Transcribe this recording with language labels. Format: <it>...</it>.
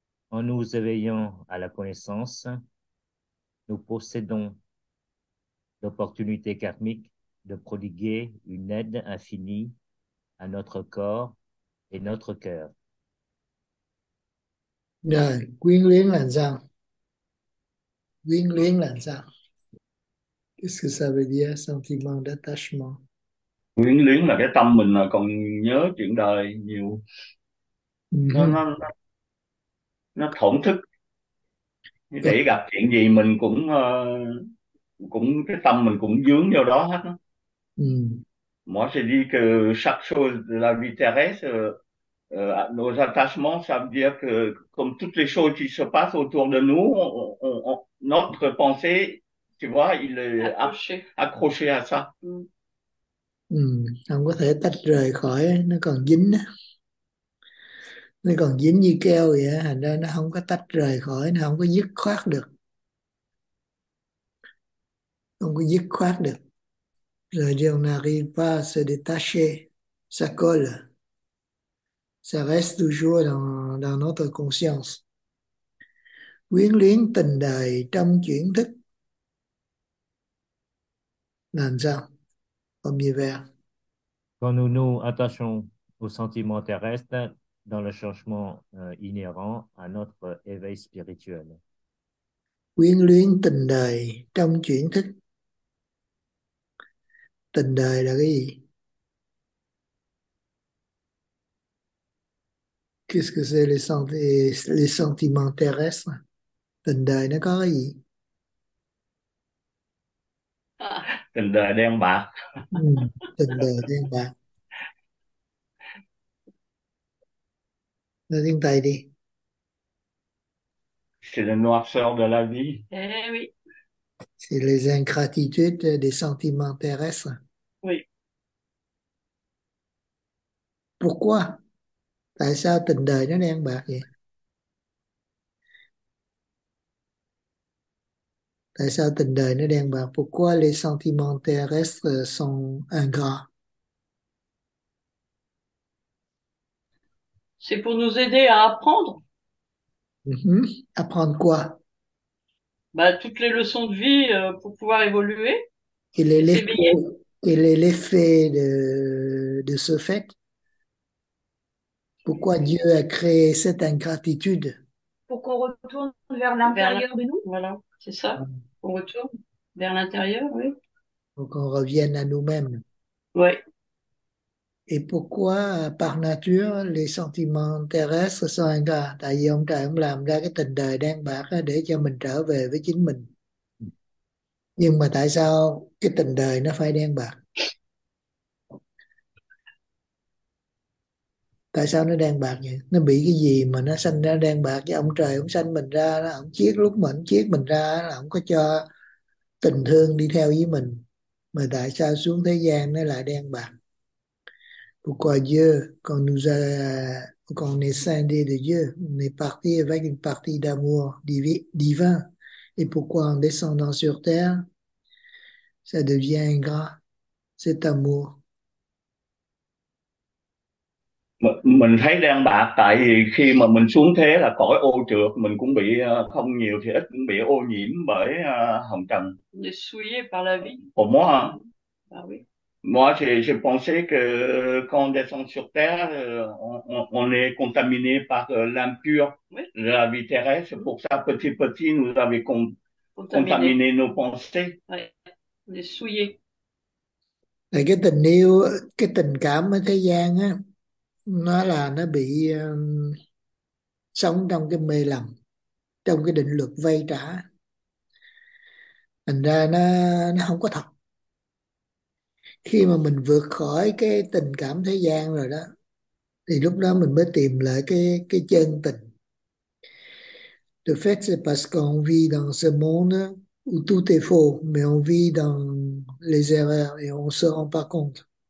<fr>En nous éveillant à la connaissance, nous possédons l'opportunité karmique de prodiguer une aide infinie à notre corps et notre cœur.</fr> <vi>Rồi, quyến luyến là sao? Quyến luyến là sao?</vi> <fr>Qu'est-ce que ça veut dire, sentiment d'attachement?</fr> <vi>Quyến luyến là cái tâm mình mà còn nhớ chuyện đời nhiều, nó thổn thức, nghĩ để gặp chuyện gì mình cũng cũng cái tâm mình cũng vướng vào đó hết đó.</vi> <fr>Moi je dis que chaque chose de la vie terrestre, nos attachements, ça veut dire que comme toutes les choses qui se passent autour de nous, notre pensée, tu vois, il est accroché à ça.</fr> <vi>Không có thể tách rời khỏi, nó còn dính á, nó còn dính như keo vậy á, thành ra nó không có tách rời khỏi, nó không có dứt khoát được, không có dứt khoát được. Rồi điều nào khi</vi> <fr>va se détacher, ça colle, ça reste toujours dans, dans notre conscience.</fr> <vi>Quyến luyến tình đời trong chuyển thức làm sao?</vi> <fr>Comme il va. Quand nous nous attachons aux sentiments terrestres dans le changement inhérent à notre éveil spirituel.</fr> <vi>Quyến luyến tình đời trong chuyển thức. Tình đời là cái gì? Qu'est-ce que c'est les sentiments terrestres? Tình đời nó có cái gì? Tình đời đen bạc. Tình đời đen bạc. Nói tiếng Tây đi.</vi> <fr>C'est la noirceur de la vie. Eh oui. C'est les ingratitudes des sentiments terrestres. Oui. Pourquoi? Tại sao tình đời nó đen bạc vậy? Tại sao tình đời nó đen bạc? Pourquoi les sentiments terrestres sont ingrats? C'est pour nous aider à apprendre. Apprendre quoi? Bah, toutes les leçons de vie pour pouvoir évoluer, s'éveiller. Quel est l'effet de ce fait? Pourquoi Dieu a créé cette ingratitude? Pour qu'on retourne vers l'intérieur de nous, voilà, c'est ça. On retourne vers l'intérieur, oui. Pour qu'on revienne à nous-mêmes. Oui. Et pourquoi, par nature, les sentiments terrestres sont ingrats?</fr> <vi>Tại vì ông trời ông làm ra cái tình đời đen bạc để cho mình trở về với chính mình. Nhưng mà tại sao cái tình đời nó phải đen bạc? Tại sao nó đen bạc vậy? Nó bị cái gì mà nó sanh ra đen bạc? Chứ ông trời ông sanh mình ra, là ông chiết lúc mà ông chiết mình ra là ông có cho tình thương đi theo với mình. Mà tại sao xuống thế gian nó lại đen bạc?</vi> <fr>Pourquoi Dieu, quand nous a, quand on est scindé de Dieu, on est parti avec une partie d'amour divin. Et pourquoi en descendant sur terre, ça devient ingrat, cet amour?</fr> <vi>Mình thấy đen bạc tại vì khi mà mình xuống thế là cõi ô trược, mình cũng bị không nhiều thì ít cũng bị ô nhiễm bởi hồng trần.</vi> <fr>On est souillé par la vie. Ủa Ah oui. Moi, j'ai pensé que quand on descend sur Terre, on est contaminé par l'impureté de la vie terrestre. C'est pour ça, petit petit, nous avons Contaminé. contaminé nos pensées. Ouais. On est souillé.</fr> <vi>Cái tình yêu, cái tình cảm ở thế gian á, nó bị sống trong cái mê lầm, trong cái định luật vay trả, thành ra nó không có thật. Khi mà mình vượt khỏi cái tình cảm thế gian rồi đó, thì lúc đó mình mới tìm lại cái chân tình.</vi> <fr>Le fait c'est parce qu'on vit dans ce monde où tout est faux, mais on vit dans les erreurs et on ne se rend pas compte.</fr>